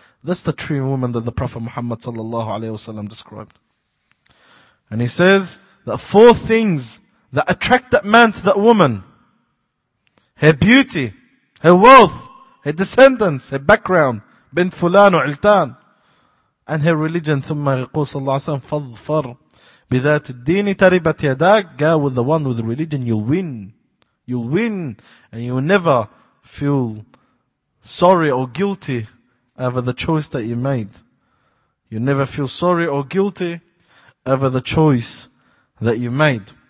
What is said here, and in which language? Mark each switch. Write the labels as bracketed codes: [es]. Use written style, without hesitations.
[en] That's the true woman that the Prophet Muhammad sallallahu alaihi wasallam described. And he says that four things that attract that man to that woman: her beauty, her wealth, her descendants, her background, bin fulan or iltan, and her religion. [ar] ثم يقول صلى الله عليه وسلم فضفر بذات الدين تربت يداك. [en] Go with the one with religion, you'll win. You'll win, and you'll never feel sorry or guilty over the choice that you made. You'll never feel sorry or guilty over the choice that you made.